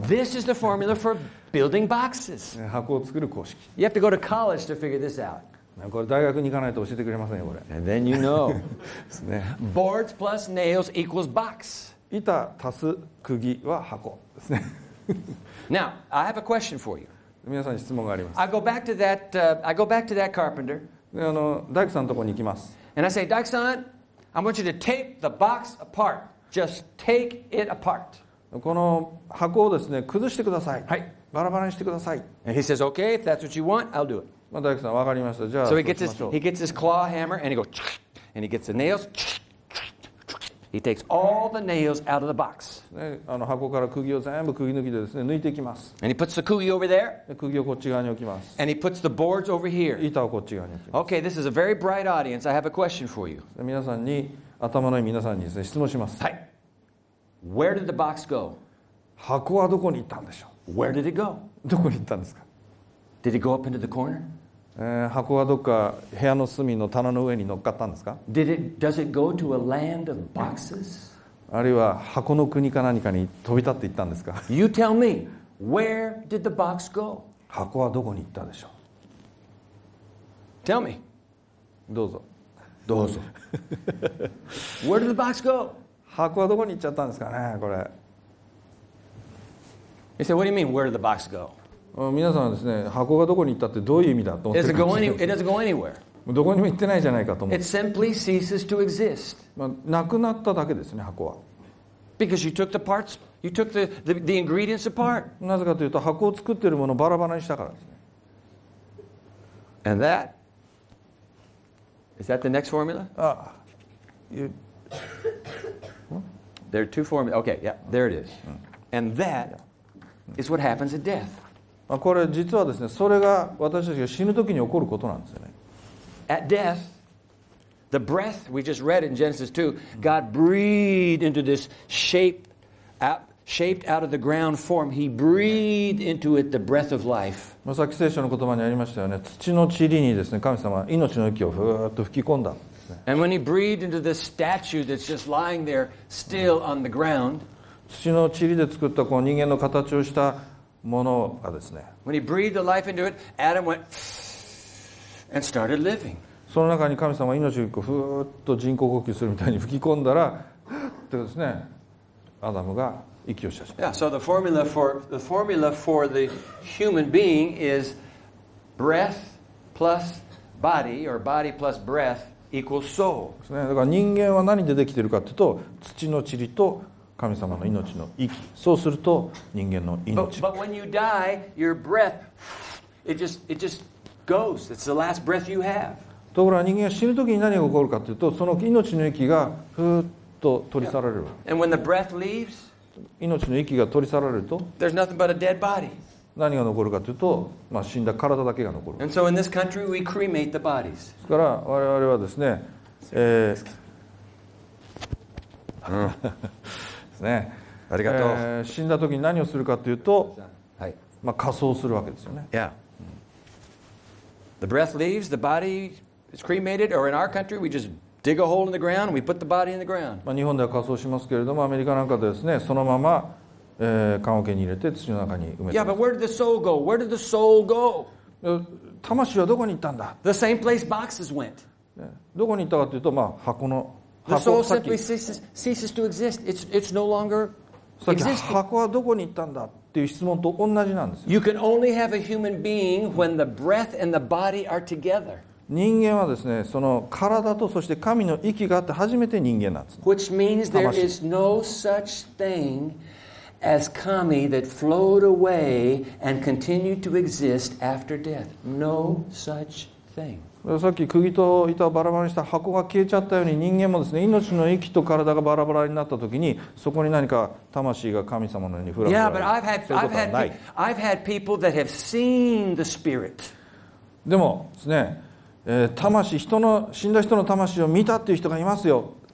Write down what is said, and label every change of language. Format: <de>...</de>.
<en>This is the formula for building boxes.</en> <ja>箱を作る公式。</ja> <en>You have to go to college to figure this out.</en> <ja>これ大学に行かないと教えてくれませんよ、これ。</ja> <en>And then you know.</en> <ja>ですね。</ja> <en>Boards plus nails equals box.</en> <ja>板足す釘は箱ですね。</ja> <en>Now, I have a question for you.</en> <ja>皆さんに質問があります。</ja> <en>I go back to that carpenter.</en> <ja>あの大工さんのところに行きます。</ja> <en>And I say, 大工さん、I want you to take the box apart. Just take it apart.</en> <ja>この箱をですね、崩してください。はい。バラバラにしてください。</ja> <en>And he says, okay, if that's what you want, I'll do it.</en> <ja>まあ大工さん、わかりました。じゃあ、</ja> <en>So he gets his claw hammer and he goes, and he gets the nails. He takes all the nails out of the box.</en> <ja>ね、あの箱から釘を全部釘抜きでですね、抜いていきます。</ja> <en>And he puts the 釘 over there.</en> <ja>釘をこっち側に置きます。</ja> <en>And he puts the boards over here.</en> <ja>板をこっち側に置きます。</ja> <en>Okay, this is a very bright audience. I have a question for you.</en> <ja>皆さんに、頭のいい皆さんにですね、質問します。</ja> <en>はい。Where did the box go?</en> <ja>箱はどこに行ったんでしょう?</ja> <en>Where did it go?</en> <ja>どこに行ったんですか?</ja> <en>Did it go up into the corner?</en> <ja>箱はどっか部屋の隅の棚の上に乗っかったんですか?</ja> <en>Does it go to a land of boxes?</en> <ja>あるいは箱の国か何かに飛び立って行ったんですか?</ja> <en>You tell me, where did the box go?</en> <ja>箱はどこに行ったでしょう?</ja> <en>Tell me.</en> <ja>どうぞ。どうぞ。</ja> <en>Where did the box go?</en> <ja>箱はどこに行っちゃったんですかね、これ。</ja> <en>He said, what do you mean, where did the box go?</en> <ja>皆さんですね、箱がどこに行ったってどういう意味だと思ってるんですか?</ja> <en>It doesn't go anywhere.</en> <ja>どこにも行ってないじゃないかと思って。</ja> <en>It simply ceases to exist.</en> <ja>まあ、なくなっただけですね、箱は。</ja> <en>Because you took the parts, you took the ingredients apart.</en> <ja>なぜかというと、箱を作っているものをバラバラにしたからですね。</ja> <en>And that? Is that the next formula? There are two formulas. Okay, yeah, there it is. And that is what happens at death.</en> <ja>これ実はですね、それが私たちが死ぬときに起こることなんですよね。</ja> <en>At death, the breath we just read in Genesis 2, God breathed into this shape, shaped out of the ground form, he breathed into it the breath of life.</en> <ja>さっき聖書の言葉にありましたよね。土の塵にですね、神様は命の息をふーっと吹き込んだ。</ja> <en>And when he breathed into this statue that's just lying there still on the ground,</en> <ja>土の塵で作ったこの人間の形をしたものがですね、</ja> <en>when he breathed the life into it, Adam went and started living.</en> <ja>その中に神様は命をふーっと人工呼吸するみたいに吹き込んだら、ってですね、アダムが息をし始めた。</ja> <en>Yeah, so the formula for the human being is breath plus body or body plus breath. Equal soul.</en> <ja>ですね、だから人間は何でできているかというと土の塵と神様の命の息、そうすると人間の命。</ja> <en>But when you die, your breath, it just goes. It's the last breath you have.</en> <ja>ところが人間が死ぬ時に何が起こるかというと、その命の息がふーっと取り去られる。</ja> <en>And when the breath leaves,</en> <ja>命の息が取り去られると、</ja> <en>there's nothing but a dead body.</en> <ja>何が残るかというと、まあ、死んだ体だけが残る。</ja> <en>And so in this country, we cremate the bodies.</en> <ja>ですから我々はですね、ですね、ありがとう。死んだ時に何をするかというと、はい、まあ、火葬するわけですよね。</ja> <en>Yeah. The breath leaves, the body is cremated, or in our country, we just dig a hole in the ground and we put the body in the ground.</en> <ja>まあ、日本では火葬しますけれども、アメリカなんかでですね、そのまま棺桶に入れて土の中に埋めた。</ja> <en>Yeah, but where did the soul go? Where did the soul go?</en> <ja>魂はどこに行ったんだ?</ja> <en>The same place boxes went.</en> <ja>どこに行ったかというと、まあ、箱の箱。</ja> <en>The soul simply ceases to exist. It's no longer existing.</en> <ja>箱はどこに行ったんだっていう質問と同じなんですよ。</ja> <en>You can only have a human being when the breath and the body are together.</en> <ja>人間はですね、その体とそして神の息があって初めて人間なんです。</ja> <en>Which means there is no such thing as kami that flowed away and continued to exist after death. No such thing.</en> <ja>さっき釘と板をバラバラにした箱が消えちゃったように、人間もですね、命の息と体がバラバラになったときに、そこに何か魂が神様のようにフラフラ。</ja> <en>I've had people that have seen the spirit.</en> <ja>でもですね、魂、人の死んだ人の魂を見たっていう人がいますよ。</ja>